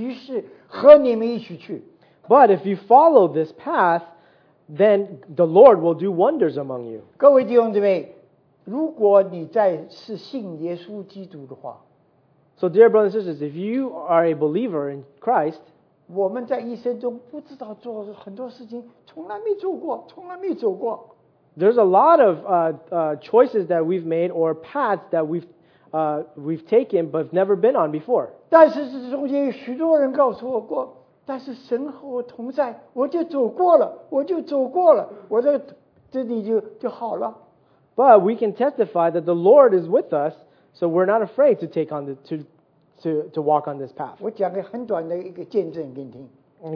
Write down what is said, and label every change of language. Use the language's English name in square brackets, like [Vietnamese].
[Chinese] 然而，因为你们神说你走这条路，耶和华的神就在你们中间行奇事，和你们一起去。 [English] But if you follow this path, then the Lord will do wonders among you. [Chinese] 各位弟兄姊妹, 如果你在是信耶稣基督的话, [English] so dear brothers and sisters, if you are a believer in Christ, [Chinese] 我们在一生中不知道做很多事情, 从来没做过, 从来没走过。 [English] There's a lot of choices that we've made or paths that we've taken but never been on before. [Chinese] 但是这中间有许多人告诉我过, 但是神和我同在，我就走过了，我就走过了，我这里就好了。 [English] But we can testify that the Lord is with us, so we're not afraid to take on the to walk on this path. [Chinese] 我讲个很短的一个见证给你听。 [English] And